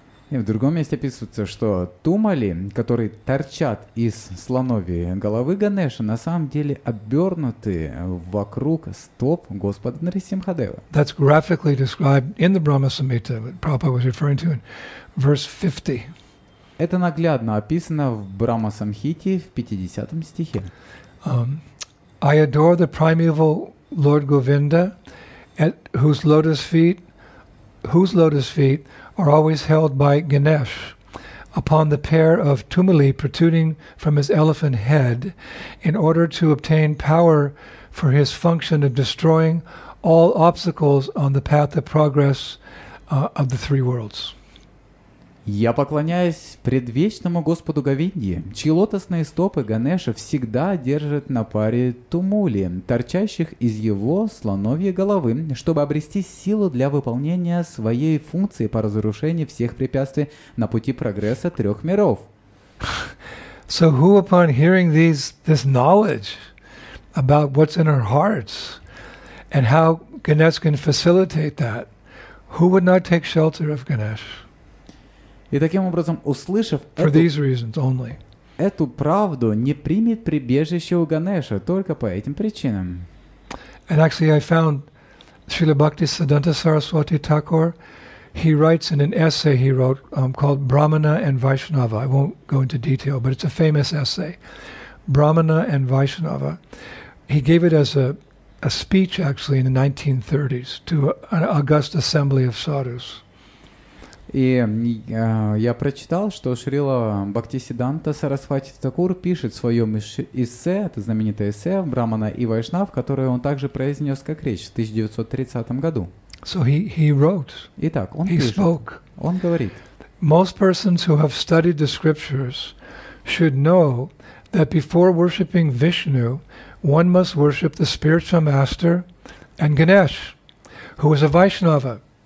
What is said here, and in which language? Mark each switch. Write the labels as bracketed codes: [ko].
[ru] И в другом месте описывается, что тумали, которые торчат из слоновьей головы Ганеши, на самом деле обернуты вокруг стоп Господа Нарисимхадева. [en] That's graphically described in the Brahma Samhita, what Prabhupada was referring to in verse 50. [ru] Это наглядно описано в Брахма Самхите в 50 стихе. [en] I adore the primeval Lord Govinda, at whose lotus feet are always held by Ganesh upon the pair of tumuli protruding from his elephant head in order to obtain power for his function of destroying all obstacles on the path of progress of the three worlds. [ru] Я поклоняюсь предвечному Господу Говинде, чьи лотосные стопы Ганеша всегда держат на паре тумули, торчащих из его слоновьей головы, чтобы обрести силу для выполнения своей функции по разрушению всех препятствий на пути прогресса трех миров. [en] So who upon hearing this knowledge about what's in our hearts and how Ganesh can facilitate that, who would not take shelter of Ganesh? [ru] И таким образом, услышав эту правду, не примет прибежище у Ганеша только по этим причинам. [en] And actually I found Srila Bhakti Siddhanta Saraswati Thakur, he writes in an essay he wrote called Brahmana and Vaishnava. I won't go into detail, but it's a famous essay. Brahmana and Vaishnava. He gave it as a speech actually in the 1930s to an august assembly of sadhus. [ru] И я прочитал, что Шрила Бхактисиддханта Сарасвати Такур пишет в своем эссе, это знаменитое эссе «Брамана и Вайшнав», которое он также произнес как речь в 1930 году. [en] So he wrote. [ru] Итак, он [en] he [ru] пишет. [en] Spoke. [ru] Он говорит. [en] Most persons who have studied the scriptures should know that before worshipping Vishnu, one must worship the spiritual master and Ganesh, who is a Vaishnava.